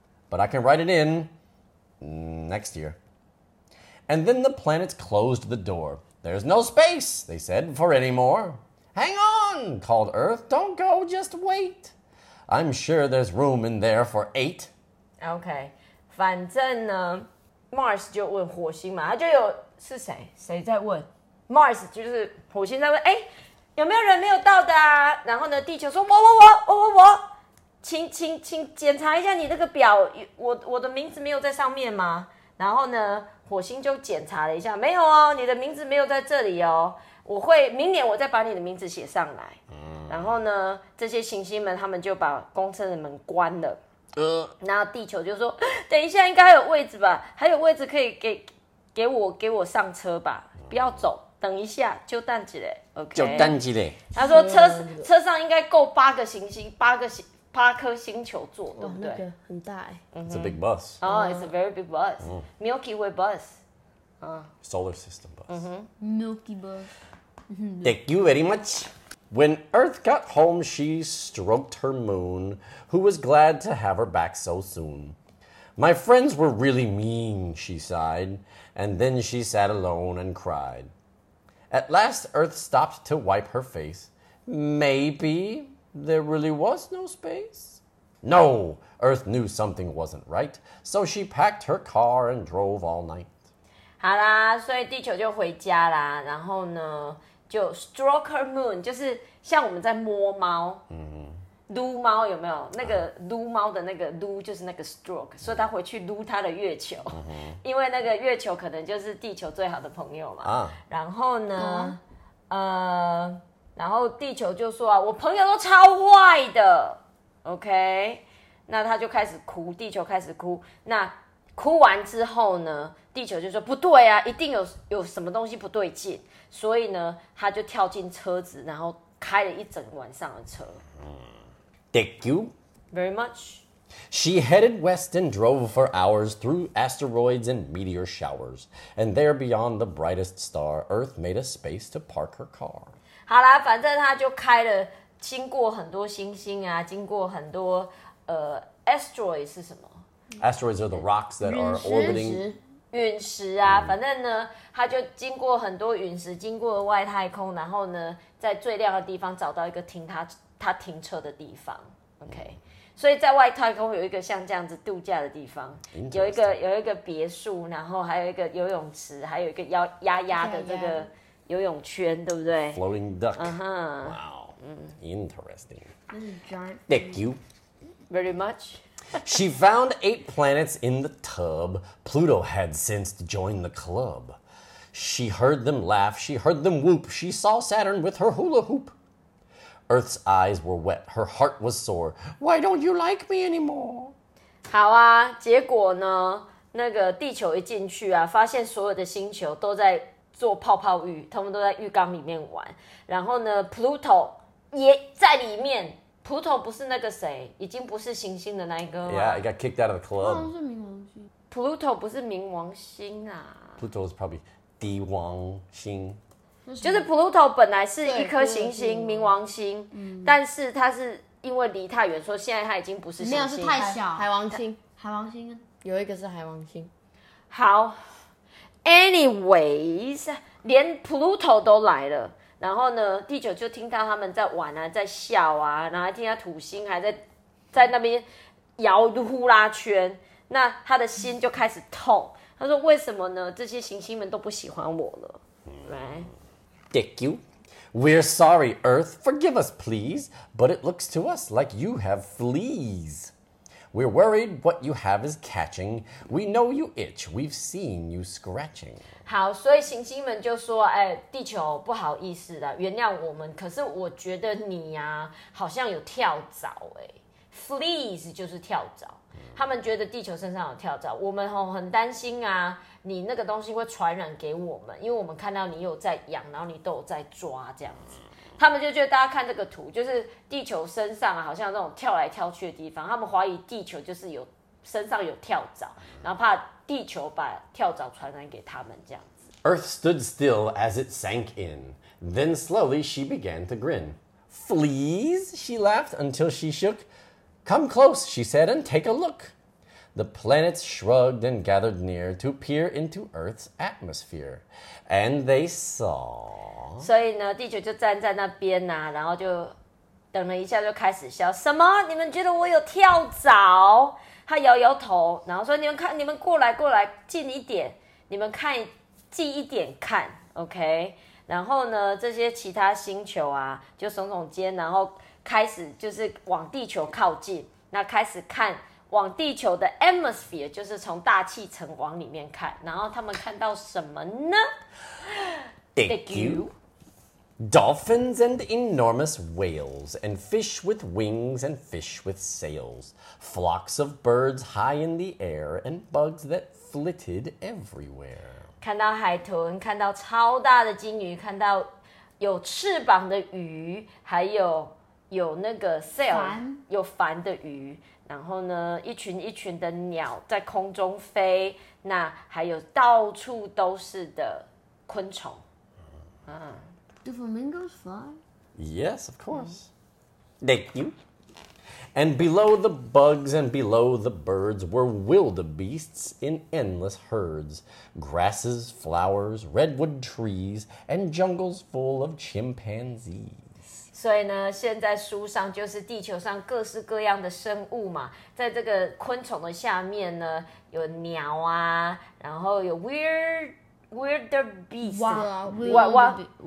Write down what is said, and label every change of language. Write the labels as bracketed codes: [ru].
[en] But I can write it in next year. And then the planets closed the door. There's no space, they said, for any more. Hang on, called Earth. Don't go, just wait. I'm sure there's room in there for eight. [zh] Okay, 反正呢 ，Mars 就问火星嘛，他就有是谁？谁在问 ？Mars 就是火星在问，哎，有没有人没有到的啊？然后呢，地球说，我，请检查一下你那个表，我的名字没有在上面吗？然后呢，火星就检查了一下，没有哦，你的名字没有在这里哦。我会明年我再把你的名字写上来、嗯、然后呢这些行星们他们就把工程的门关了、然后地球就说等一下应该还有位置吧，还有位置可以 给我上车吧，不要走，等一下就等一下、okay? 就等一下，他说 车上应该够八个行星，八颗星球座，对不对、那个、很大、欸 [en] It's a big bus、 It's a very big bus、Milky Way bus Solar system bus. Mm-hmm. Milky bus. Thank you very much. When Earth got home, she stroked her moon, who was glad to have her back so soon. My friends were really mean, she sighed, and then she sat alone and cried. At last, Earth stopped to wipe her face. Maybe there really was no space? No, Earth knew something wasn't right, so she packed her car and drove all night. [zh] 好啦，所以地球就回家啦，然后呢就 [en] stroke her moon， [zh] 就是像我们在摸猫，嗯，撸猫有没有那个撸猫的那个撸，就是那个 stroke， 所以他回去撸他的月球、嗯、因为那个月球可能就是地球最好的朋友嘛、啊、然后呢、嗯、然后地球就说啊，我朋友都超坏的， OK， 那他就开始哭，地球开始哭，那哭完之后呢，地球就说不对啊，一定 有什么东西不对劲，所以呢他就跳进车子，然后开了一整晚上的车。 [en] Thank you very much. She headed west and drove for hours through asteroids and meteor showers. And there beyond the brightest star, Earth made a space to park her car. [zh] 好啦，反正他就开了，经过很多星星啊，经过很多asteroids 是什么？ [en] Asteroids are the rocks that are orbiting. [zh] 陨石啊，反正呢，他就经过很多陨石，经过外太空，然后呢，在最亮的地方找到一个停他停车的地方。 OK， 所以在外太空有一个像这样子度假的地方，有一个别墅，然后还有一个游泳池，还有一个压的这个游泳圈，对不对 [en] ？Floating duck. Wow. Interesting. This is giant. Thank you. Very much. She found eight planets in the tub. Pluto had since joined the club. She heard them laugh. She heard them whoop. She saw Saturn with her hula hoop. Earth's eyes were wet. Her heart was sore. Why don't you like me anymore? [zh] 好啊，结果呢，那个地球一进去啊，发现所有的星球都在做泡泡浴，他们都在浴缸里面玩。然后呢 ，Pluto 也在里面。Pluto 不是那个谁，已经不是行星的那一个吗 [en] ？Yeah, he got kicked out of the club. [zh] 好像是冥王星。 Pluto 不是冥王星啊。 [en] Pluto is probably [zh] 帝王星。就是 Pluto 本来是一颗行星，冥王星、嗯，但是它是因为离太远，说现在它已经不是行星。没有，是太小。海王星，海王星有一个是海王星。好 ，anyways， 连 Pluto 都来了。然后呢，地球就听到他们在玩啊，在笑啊，然后还听到土星还在那边摇呼啦圈，那他的心就开始痛。他说：“为什么呢？这些行星们都不喜欢我了。” [en] Thank you. We're sorry, Earth. Forgive us, please. But it looks to us like you have fleas. We're worried what you have is catching. We know you itch. We've seen you scratching. [zh] 好，所以行星们就说：“哎，地球不好意思啦，原谅我们。可是我觉得你呀、啊，好像有跳蚤、欸，哎， Flees 就是跳蚤，他们觉得地球身上有跳蚤，我们很担心啊，你那个东西会传染给我们，因为我们看到你有在养，然后你都有在抓这样子。他们就觉得，大家看这个图，就是地球身上好像那种跳来跳去的地方，他们怀疑地球就是有身上有跳蚤，然后怕地球把跳蚤传染给他们这样子。 [en] Earth stood still as it sank in. Then slowly she began to grin. Fleas, she laughed until she shook. Come close, she said, and take a look. The planets shrugged and gathered near to peer into Earth's atmosphere. And they saw... [zh] 所以呢，地球就站在那边啊，然后就等了一下，就开始笑。什么？你们觉得我有跳蚤？他摇摇头，然后说：“你们看，你们过来，过来，近一点，你们看，近一点看 ，OK。” 然后呢，这些其他星球啊，就耸耸肩，然后开始就是往地球靠近，那开始看往地球的 atmosphere， 就是从大气层往里面看。然后他们看到什么呢？ [en] Thank you. Dolphins and enormous whales, and fish with wings and fish with sails. Flocks of birds high in the air, and bugs that flitted everywhere. [zh] 看到海豚，看到超大的鲸鱼，看到有翅膀的鱼，还有那个 sail 有帆的鱼。然后呢，一群一群的鸟在空中飞，那还有到处都是的昆虫。 [en] Do flamingos fly? Yes, of course. Thank you. And below the bugs and below the birds were wildebeests in endless herds. Grasses, flowers, redwood trees, and jungles full of chimpanzees. [zh] 所以呢，现在书上就是地球上各式各样的生物嘛，在这个昆虫的下面呢，有鸟啊，然后有 wildebeest